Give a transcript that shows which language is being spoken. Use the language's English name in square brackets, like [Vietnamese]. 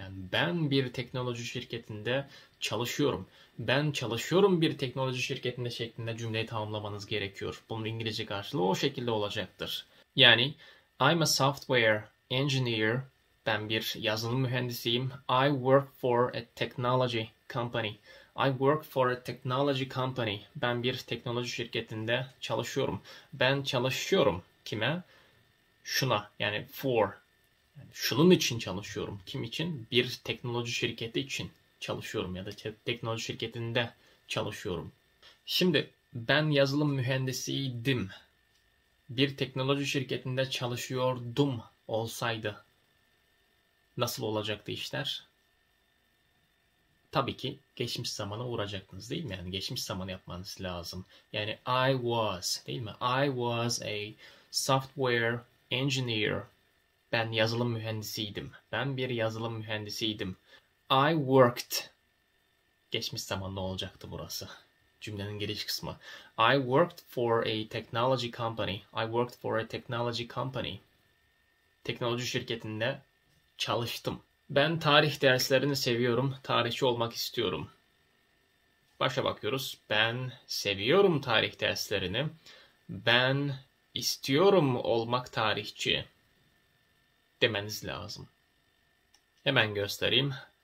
[Turkish] Yani ben bir teknoloji şirketinde çalışıyorum. Ben çalışıyorum bir teknoloji şirketinde şeklinde cümleyi tamamlamanız gerekiyor. Bunun İngilizce karşılığı o şekilde olacaktır. Yani [English] I'm a software engineer [Turkish] Ben bir yazılım mühendisiyim. [English] I work for a technology company. I work for a technology company. [Turkish] Ben bir teknoloji şirketinde çalışıyorum. Ben çalışıyorum kime? Şuna, yani [English] for. [Turkish] Yani şunun için çalışıyorum. Kim için? Bir teknoloji şirketi için çalışıyorum ya da teknoloji şirketinde çalışıyorum. Şimdi ben yazılım mühendisiydim. Bir teknoloji şirketinde çalışıyordum olsaydı nasıl olacaktı işler? Tabii ki geçmiş zamana uğrayacaktınız değil mi? Yani geçmiş zamanı yapmanız lazım. Yani [English] I was [Turkish] değil mi? [English] I was a software engineer. [Turkish] Ben yazılım mühendisiydim. Ben bir yazılım mühendisiydim. [English] I worked. [Turkish] Geçmiş zamanlı olacaktı burası. Cümlenin giriş kısmı. [English] I worked for a technology company. I worked for a technology company. [Turkish] Teknoloji şirketinde çalıştım. Ben tarih derslerini seviyorum. Tarihçi olmak istiyorum. Başa bakıyoruz. Ben seviyorum tarih derslerini. Ben istiyorum olmak tarihçi demeniz lazım. Hemen göstereyim.